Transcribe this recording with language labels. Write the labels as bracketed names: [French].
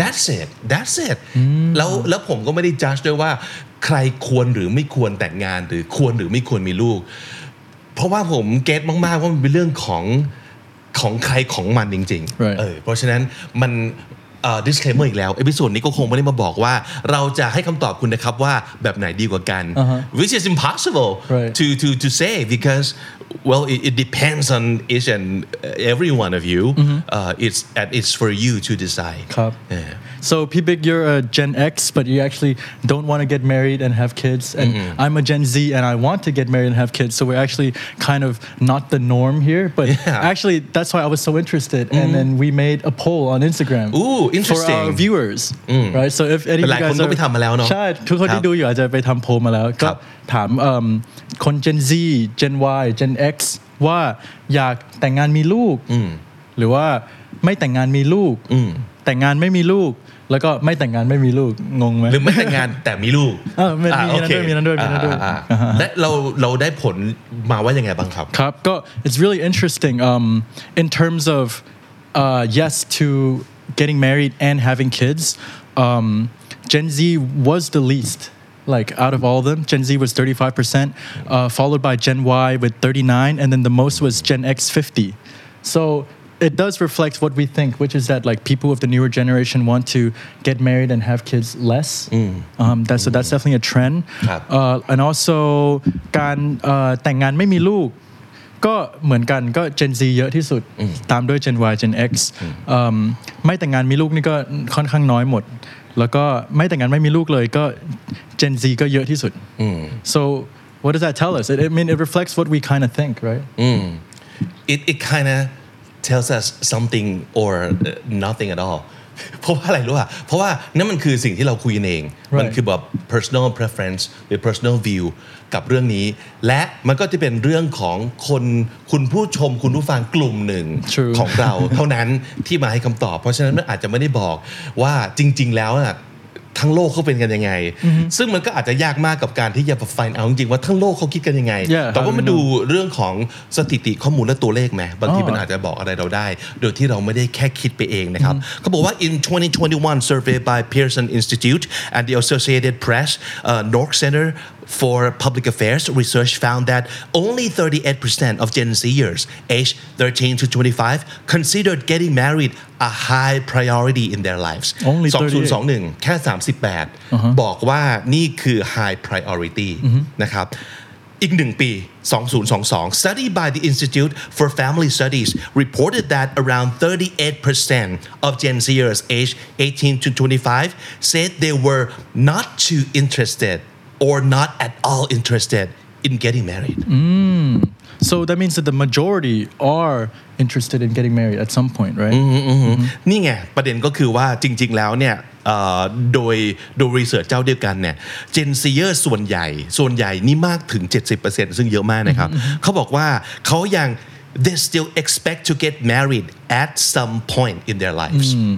[Thai] That's it แล้วผมก็ไม่ได้ judge ด้วยว่าใครควรหรือไม่ควรแต่งงานหรือควรหรือไม่ควรมีลูกเพราะว่าผมเก็ทมากๆว่ามันเป็นเรื่องของใครของมันจริงๆ [English] right. [Thai] เพราะฉะนั้นมัน disclaimer อีกแล้วเอพิโซดนี้ก็คงไม่ได้มาบอกว่าเราจะให้คำตอบคุณนะครับว่าแบบไหนดีกว่ากัน [English] which is impossible right. to say becauseWell, it depends on each and every one of you. Mm-hmm. It's for you to decide. Yeah. So, Pibik, you're a Gen X, but you actually don't want to get married and have kids. And mm-hmm. I'm a Gen Z, and I want to get married and have kids. So we're actually kind of not the norm here. But actually, that's why I was so interested. Mm-hmm. And then we made a poll on Instagram. Ooh, interesting. For our viewers. Mm. Right? So if any of you guys are... A lot of people have done it. Yes, everyone who's watching has done a poll. Yes. [Thai] ถามคน Gen Z Gen Y Gen X ว่าอยากแต่งงานมีลูกหรือว่าไม่แต่งงานมีลูกแต่งงานไม่มีลูกแล้วก็ไม่แต่งงานไม่มีลูกงงไหม หรือไม่แต่งงานแต่มีลูก มีนั้นด้วย และเราได้ผลมาว่ายังไงบ้างครับ [English] ครับก็ it's really interesting in terms of yes to getting married and having kids Gen Z was the leastLike out of all of them, Gen Z was 35%, followed by Gen Y with 39%, and then the most was Gen X 50%. So it does reflect what we think, which is that like people of the newer generation want to get married and have kids less. So that's definitely a trend. [Thai] And also, การแต่งงานไม่มีลูกก็เหมือนกันก็ Gen Z เยอะที่สุดตามด้วย Gen Y Gen X. ไม่แต่งงานมีลูกนี่ก็ค่อนข้างน้อยหมดแล้วก็ไม่แต่งงานไม่มีลูกเลยก็Gen Z ก็เยอะที่สุด [English] So what does that tell us? It reflects what we kind of think, right? It kind of tells us something or nothing at all. [Thai] เพราะว่าอะไรรู้ป่ะเพราะว่านั่นมันคือสิ่งที่เราคุยเองมัน คือแบบ personal preference หรือ personal view กับเรื่องนี้และมันก็จะเป็นเรื่องของคนคุณผู้ชมคุณผู้ฟังกลุ่มหนึ่ง [English] True. [Thai] ของเรา เท่านั้นที่มาให้คำตอบเพราะฉะนั้นมันอาจจะไม่ได้บอกว่าจริงๆแล้วทั้งโลกเขาเป็นกันยังไง [English] mm-hmm. [Thai] ซึ่งมันก็อาจจะยากมากกับการที่จะ find out จริงๆว่าทั้งโลกเขาคิดกันยังไง [English] yeah, [Thai] แต่ว่ามาดูเรื่องของสถิติข้อมูลและตัวเลขไหมบางทีมันอาจจะบอกอะไรเราได้โดยที่เราไม่ได้แค่คิดไปเองนะครับ [English] mm-hmm. [Thai] เขาบอกว่า [English] in 2021 survey by Pearson Institute and the Associated Press North Center for Public Affairs research found that only 38% of Gen Zers aged 13 to 25 considered getting marrieda high priority in their lives only [Thai] 2021แค่38 [English] uh-huh. [Thai] บอกว่านี่คือ high priority [English] uh-huh. [Thai] นะครับอีก1ปี [English] 2022 study by the Institute for Family Studies reported that around 38% of Gen Zers age 18 to 25 said they were not too interested or not at all interested in getting married mm. so that means that the majority areinterested in getting married at some point right [Thai] นี่ไงประเด็นก็คือว่าจริงๆแล้วเนี่ยโดยรีเสิร์ชเจ้าเดียวกันเนี่ย Gen Zer ส่วนใหญ่นี่มากถึง 70% ซึ่งเยอะมากนะครับเขาบอกว่าเขายัง [English] they still expect to get married at some point in their lives